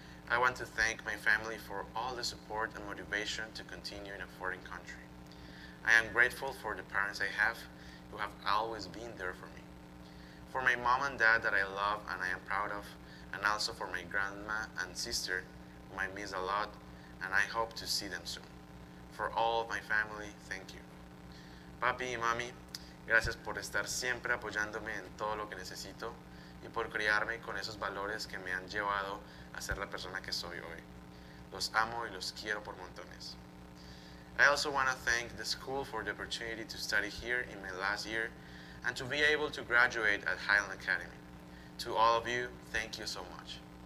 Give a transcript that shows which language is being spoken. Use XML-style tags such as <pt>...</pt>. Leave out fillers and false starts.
<en>I want to thank my family for all the support and motivation to continue in a foreign country. I am grateful for the parents I have who have always been there for me. For my mom and dad that I love and I am proud of, and also for my grandma and sister whom I miss a lot and I hope to see them soon. For all of my family, thank you.</en> <es>Papi y mami, gracias por estar siempre apoyándome en todo lo que necesito y por criarme con esos valores que me han llevado a ser la persona que soy hoy. Los amo y los quiero por montones.</es> <en>I also want to thank the school for the opportunity to study here in my last year and to be able to graduate at Highland Academy. To all of you, thank you so much.</en>